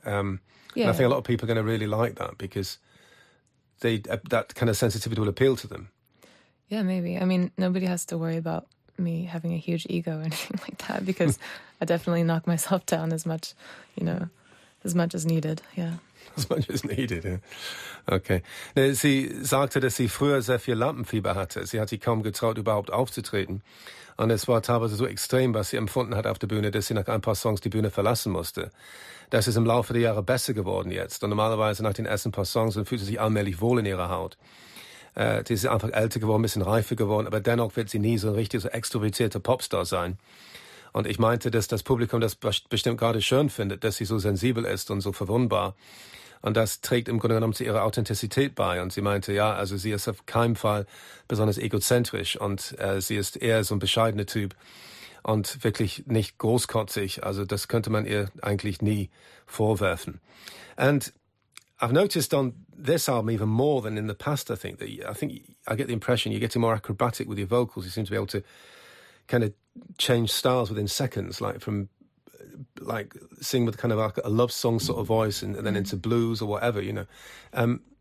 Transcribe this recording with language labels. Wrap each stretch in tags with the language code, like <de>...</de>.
<en>And I think a lot of people are going to really like that, because that kind of sensitivity will appeal to them. Yeah, maybe. I mean, nobody has to worry about me having a huge ego or anything like that, because I definitely knock myself down as much, you know, as much as needed, yeah. As much as needed, yeah. Okay.</en> <de>Sie sagte, dass sie früher sehr viel Lampenfieber hatte. Sie hat sich kaum getraut, überhaupt aufzutreten. Und es war teilweise so extrem, was sie empfunden hat auf der Bühne, dass sie nach ein paar Songs die Bühne verlassen musste. Das ist im Laufe der Jahre besser geworden jetzt. Und normalerweise nach den ersten paar Songs fühlt sie sich allmählich wohl in ihrer Haut. Sie ist einfach älter geworden, ein bisschen reifer geworden, aber dennoch wird sie nie so ein richtig so extrovertierter Popstar sein. Und ich meinte, dass das Publikum das bestimmt gerade schön findet, dass sie so sensibel ist und so verwundbar. Und das trägt im Grunde genommen zu ihrer Authentizität bei. Und sie meinte, ja, also sie ist auf keinen Fall besonders egozentrisch und sie ist eher so ein bescheidener Typ und wirklich nicht großkotzig. Also das könnte man ihr eigentlich nie vorwerfen.</de> <en>And I've noticed on this album even more than in the past, I think I get the impression you're getting more acrobatic with your vocals. You seem to be able to kind of change styles within seconds, like from like singing with kind of like a love song sort of voice and then into blues or whatever, you know.</en>